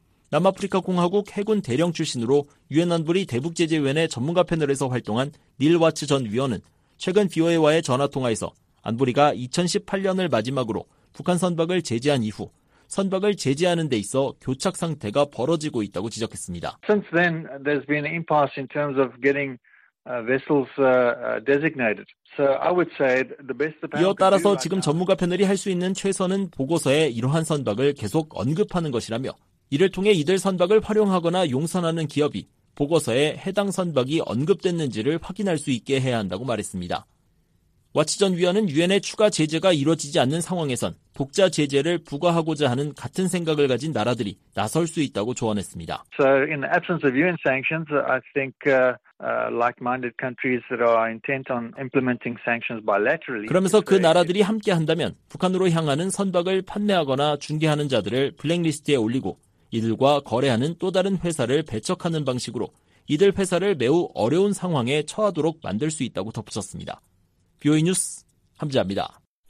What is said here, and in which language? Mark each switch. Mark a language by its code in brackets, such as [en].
[ko] 남아프리카 공화국 해군 대령 출신으로 유엔 안보리 대북 제재위원회 전문가 패널에서 활동한 닐 와츠 전 위원은 최근 BOA와의 전화 통화에서 안보리가 2018년을 마지막으로 북한 선박을 제재한 이후 선박을 제재하는 데 있어 교착 상태가 벌어지고 있다고 지적했습니다. [en] Since then there's been an impasse in terms of getting vessels designated. So I would say the best the [ko] 이어 따라서 지금 전문가 패널이 할 수 있는 최선은 보고서에 이러한 선박을 계속 언급하는 것이라며 이를 통해 이들 선박을 활용하거나 용선하는 기업이 보고서에 해당 선박이 언급됐는지를 확인할 수 있게 해야 한다고 말했습니다. 와치 전 위원은 유엔의 추가 제재가 이뤄지지 않는 상황에선 독자 제재를 부과하고자 하는 같은 생각을 가진 나라들이 나설 수 있다고 조언했습니다. [en] So in the absence of UN sanctions, I think like-minded countries that are intent on implementing sanctions bilaterally. [ko] 그러면서 그 나라들이 함께 한다면 북한으로 향하는 선박을 판매하거나 중개하는 자들을 블랙리스트에 올리고 이들과 거래하는 또 다른 회사를 배척하는 방식으로 이들 회사를 매우 어려운 상황에 처하도록 만들 수 있다고 덧붙였습니다. BOA 뉴스 함지아입니다.